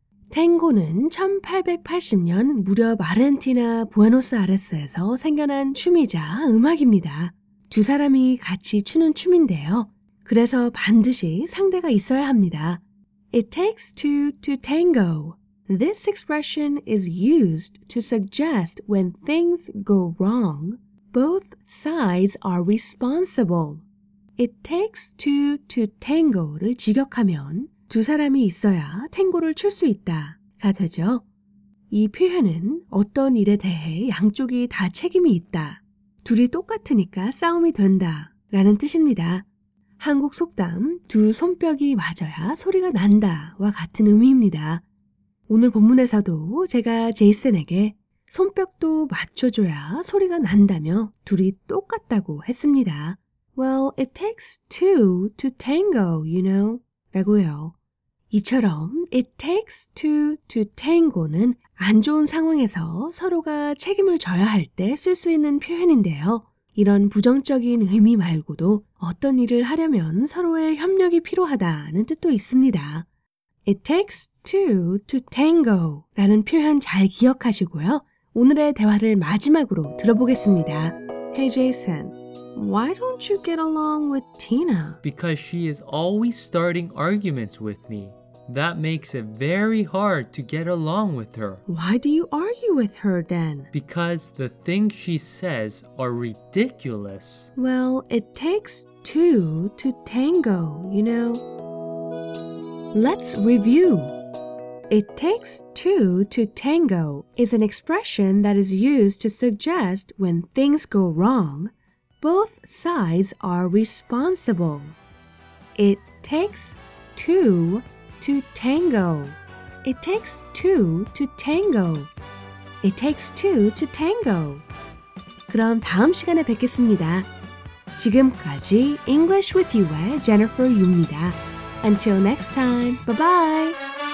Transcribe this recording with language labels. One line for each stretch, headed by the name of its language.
Korean: 탱고는 1880년 무렵 아르헨티나 부에노스아레스에서 생겨난 춤이자 음악입니다. 두 사람이 같이 추는 춤인데요. 그래서 반드시 상대가 있어야 합니다.
English: It takes two to tango. This expression is used to suggest when things go wrong, both sides are responsible. It takes two to tango
Korean: 를 직역하면 두 사람이 있어야 탱고를 출 수 있다가 되죠. 이 표현은 어떤 일에 대해 양쪽이 다 책임이 있다, 둘이 똑같으니까 싸움이 된다 라는 뜻입니다. 한국 속담 두 손뼉이 맞아야 소리가 난다와 같은 의미입니다. 오늘 본문에서도 제가 제이슨에게 손뼉도 맞춰줘야 소리가 난다며 둘이 똑같다고 했습니다.
English: Well, it takes two to tango, you know.
Korean: 라고요. 이처럼
English: it takes two to tango
Korean: 는 안 좋은 상황에서 서로가 책임을 져야 할 때 쓸 수 있는 표현인데요. 이런 부정적인 의미 말고도 어떤 일을 하려면 서로의 협력이 필요하다는 뜻도 있습니다.
English: It takes two to tango
Korean: 라는 표현 잘 기억하시고요. 오늘의 대화를 마지막으로 들어보겠습니다.
English: Hey Jason, why don't you get along with Tina? Because she is always starting arguments with me. That makes it very hard to get along with her. Why do you argue with her then? Because the things she says are ridiculous. Well, it takes two to tango, you know. Let's review. It takes two to tango is an expression that is used to suggest when things go wrong, both sides are responsible. It takes two to tango. It takes two to tango. It takes two to tango.
Korean: 그럼 다음 시간에 뵙겠습니다. 지금까지 English with You의 Jennifer Yu입니다.
English: Until next time, bye-bye!